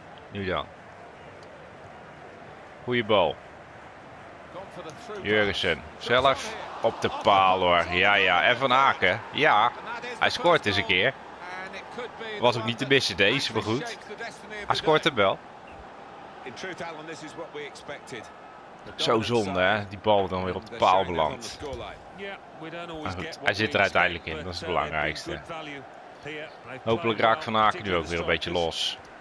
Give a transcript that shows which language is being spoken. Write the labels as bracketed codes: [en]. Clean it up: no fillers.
[nl] Nu dan. Goeie bal. Jurgensen, zelf op de paal hoor. Ja. En Van Aken. Ja, hij scoort eens een keer. Was ook niet te missen deze, maar goed. Hij scoort hem wel. [en] In truth, Alan, this is what we expected. [nl] Zo zonde, hè? Die bal dan weer op de paal belandt. Maar goed, hij zit er uiteindelijk in. Dat is het belangrijkste. Hopelijk raakt Van Aken nu ook weer een beetje los.